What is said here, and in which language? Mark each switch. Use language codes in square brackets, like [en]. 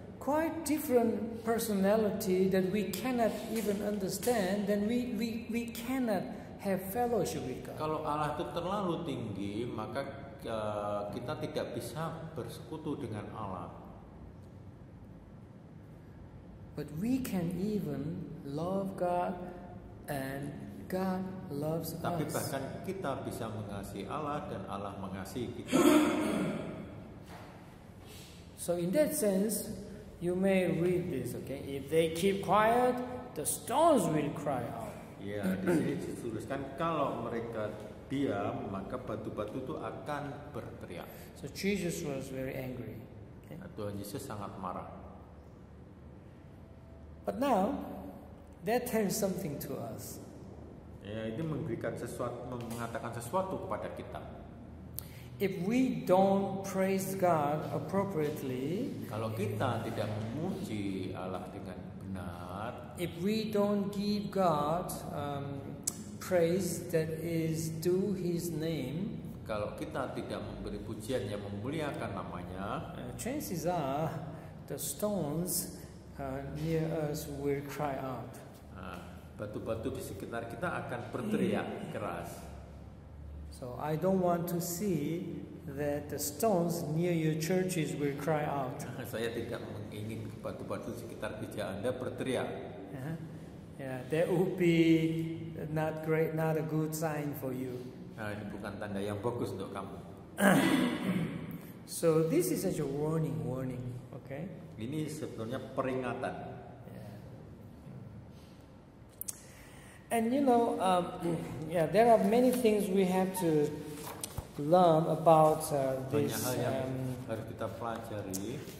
[en] Quite different personality that we cannot even understand, then we cannot have fellowship with God. [id] Kalau Allah itu terlalu tinggi, maka kita tidak bisa bersekutu dengan Allah. [en] But we can even love God, and God loves us. [id] Tapi bahkan kita bisa mengasihi Allah dan Allah mengasihi kita. [en] So in that sense, you may read this, okay? If they keep quiet, the stones will cry out. [id] Yeah, di sini dituliskan kalau mereka diam, maka batu-batu itu akan berteriak. [en] So Jesus was very angry. Okay? [id] Tuhan Yesus sangat marah. [en] But now, that tells something to us. [id] Yeah, itu memberikan sesuatu, mengatakan sesuatu kepada kita. [en] If we don't praise God appropriately, [id] kalau kita tidak memuji Allah dengan benar, [en] if we don't give God praise that is due His name, [id] kalau kita tidak memberi pujian yang memuliakan namanya, [en] chances are the stones near us will cry out. [id] Batu-batu di sekitar kita akan berteriak keras. [en] So I don't want to see that the stones near your churches will cry out. [id] Saya tidak ingin batu-batu sekitar gereja Anda berteriak. [en] Yeah, that would be not great, not a good sign for you. [id] Nah, ini bukan tanda yang bagus untuk kamu. [en] So this is such a warning, okay? [id] Ini sebenarnya peringatan. [en] And you know, there are many things we have to learn about this. [id] Banyak hal yang harus kita pelajari.